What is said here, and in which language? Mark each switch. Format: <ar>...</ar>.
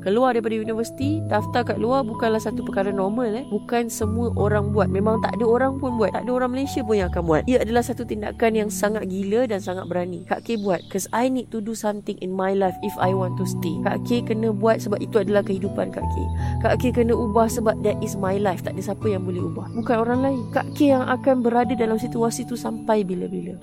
<ms>Keluar daripada universiti, daftar kat luar bukanlah satu perkara normal eh. Bukan semua orang buat. Memang tak ada orang pun buat. Tak ada orang Malaysia pun yang akan buat. Ia adalah satu tindakan yang sangat gila dan sangat berani. Kak K buat.</ms> <en>Because I need to do something in my life if I want to stay.</en> <ms>Kak K kena buat sebab itu adalah kehidupan Kak K. Kak K kena ubah sebab</ms> <en>that is my life.</en> <ms>Tak ada siapa yang boleh ubah. Bukan orang lain. Kak K yang akan berada dalam situasi tu sampai bila-bila.</ms>